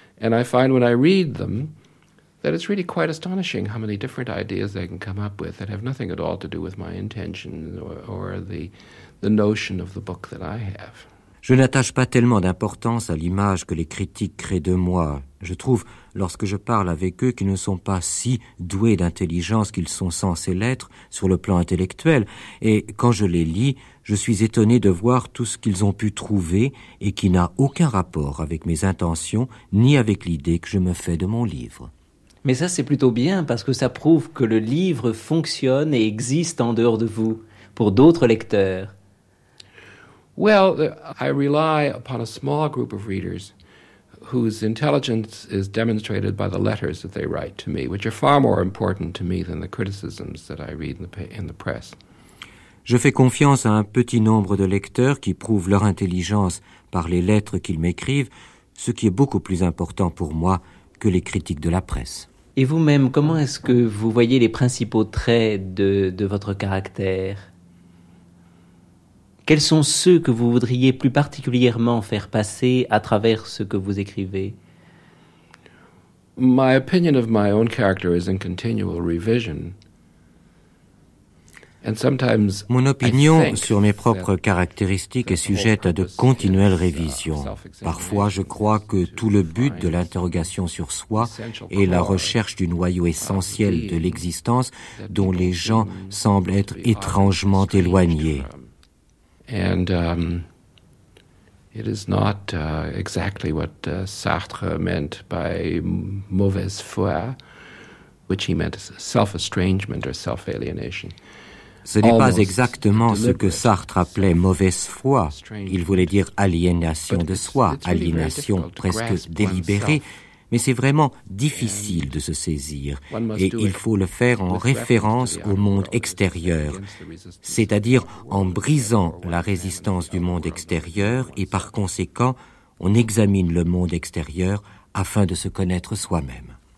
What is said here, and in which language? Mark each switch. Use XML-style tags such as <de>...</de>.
<en>And I find when I read them that it's really quite astonishing how many different ideas they can come up with that have nothing at all to do with my intention or the notion of the book that I have.</en> <fr>Je n'attache pas tellement d'importance à l'image que les critiques créent de moi. Je trouve, lorsque je parle avec eux, qu'ils ne sont pas si doués d'intelligence qu'ils sont censés l'être sur le plan intellectuel. Et quand je les lis, je suis étonné de voir tout ce qu'ils ont pu trouver et qui n'a aucun rapport avec mes intentions ni avec l'idée que je me fais de mon livre. Mais ça, c'est plutôt bien parce que ça prouve que le livre fonctionne et existe en dehors de vous, pour d'autres lecteurs.</fr> <en>Well, I rely upon a small group of readers whose intelligence is demonstrated by the letters that they write to me, which are far more important to me than the criticisms that I read in the press.</en> <fr>Je fais confiance à un petit nombre de lecteurs qui prouvent leur intelligence par les lettres qu'ils m'écrivent, ce qui est beaucoup plus important pour moi que les critiques de la presse. Et vous-même, comment est-ce que vous voyez les principaux traits de votre caractère? Quels sont ceux que vous voudriez plus particulièrement faire passer à travers ce que vous écrivez?</fr> <en>My opinion of my own character is in continual revision. And sometimes</en> <fr>mon opinion sur mes propres caractéristiques est sujette à de continuelles révisions. Parfois, je crois que tout le but de l'interrogation sur soi est la recherche du noyau essentiel de l'existence dont les gens semblent être étrangement éloignés.</fr> <en>And it is not exactly what Sartre meant by mauvaise foi, which he meant self-estrangement or self-alienation.</en> <fr>Ce n'est pas exactement ce que Sartre appelait mauvaise foi. Il voulait dire aliénation de soi, aliénation presque délibérée. mais c'est vraiment difficile de se saisir. Et il faut le faire en référence au monde extérieur, c'est-à-dire en brisant la résistance du monde extérieur, et par conséquent, on examine le monde extérieur afin de se connaître soi-même.</fr>